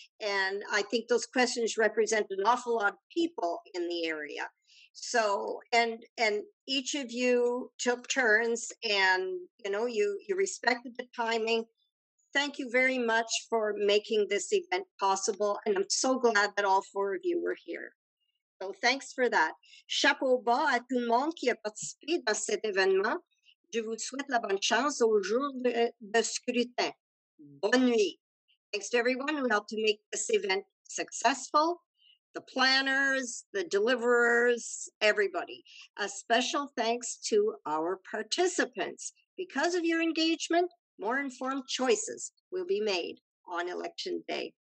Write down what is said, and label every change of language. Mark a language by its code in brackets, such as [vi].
[en] And I think those questions represent an awful lot of people in the area. So, and each of you took turns and, you know, you respected the timing. Thank you very much for making this event possible. And I'm so glad that all four of you were here. So thanks for that. [fr] Chapeau bas à tout le monde qui a participé dans cet événement. Je vous souhaite la bonne chance au jour de scrutin. Bonne nuit. [en] Thanks to everyone who helped to make this event successful. The planners, the deliverers, everybody. A special thanks to our participants. Because of your engagement, more informed choices will be made on Election Day.